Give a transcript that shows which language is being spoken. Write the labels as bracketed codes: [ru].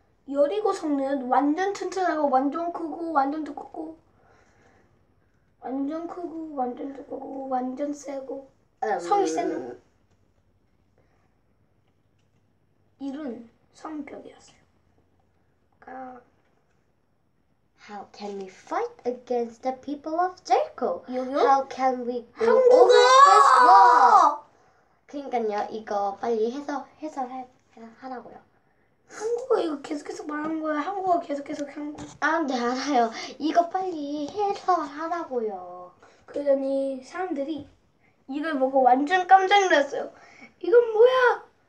[ko] 여리고 성은 완전 튼튼하고 완전 크고 완전 두껍고. 완전 크고 완전 두꺼고 완전 세고 성이 세면 이런 성벽이었어요. 그러니까 [en] How can we fight against the people of Jericho? 요요? How can we go over this wall? [ko] 그러니까요 이거 빨리 해석하라고요. 한국어 이거 계속해서 말하는 거야. 한국어 계속 한국어. 아, 네, 알아요. 이거 빨리 해설하라고요. 그러더니 사람들이 이걸 보고 완전 깜짝 놀랐어요. 이건 뭐야?